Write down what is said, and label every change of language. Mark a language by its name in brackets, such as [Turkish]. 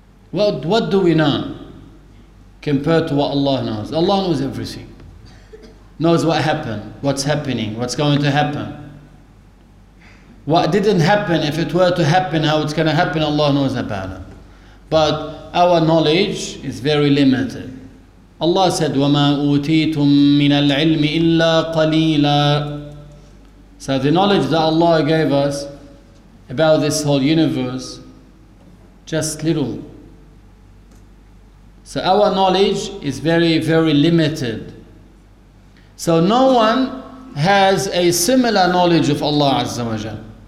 [English] What do we know compared to what Allah knows? Allah knows everything. Knows what happened, what's happening, what's going to happen. What didn't happen, if it were to happen, how it's going to happen, Allah knows about it. But our knowledge is very limited. Allah said, [Arabic] وَمَا أُوتِيتُم مِّنَ الْعِلْمِ إِلَّا قَلِيلًا. [English] So the knowledge that Allah gave us about this whole universe, just little. So our knowledge is very, very limited. So no one has a similar knowledge of Allah Azza wa Jal.